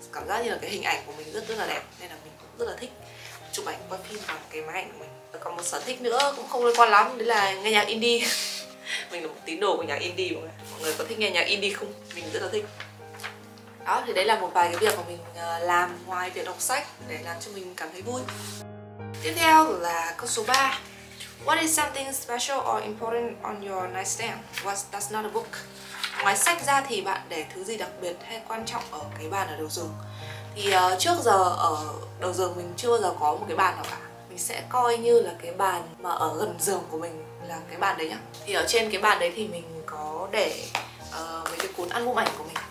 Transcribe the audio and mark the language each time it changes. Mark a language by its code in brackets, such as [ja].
[vi] Cảm giác như là cái hình ảnh của mình rất là đẹp nên là mình cũng rất là thích chụp ảnh quay phim bằng cái máy ảnh của mình. Và còn một sở thích nữa cũng không liên quan lắm đấy là nghe nhạc indie. Mình là một tín đồ của nhạc indie mọi người. Mọi người có thích nghe nhạc indie không? Mình rất là thích. Đó thì đấy là một vài cái việc mà mình làm ngoài việc đọc sách để làm cho mình cảm thấy vui. Tiếp theo là câu số 3. [en] What is something special or important on your nightstand? What that's not a book? [vi] Ngoài sách ra thì bạn để thứ gì đặc biệt hay quan trọng ở cái bàn ở đầu giường? Thì trước giờ ở đầu giường mình chưa bao giờ có một cái bàn nào cả. Mình sẽ coi như là cái bàn mà ở gần giường của mình là cái bàn đấy nhá. Thì ở trên cái bàn đấy thì mình có để mấy cái cuốn album ảnh của mình.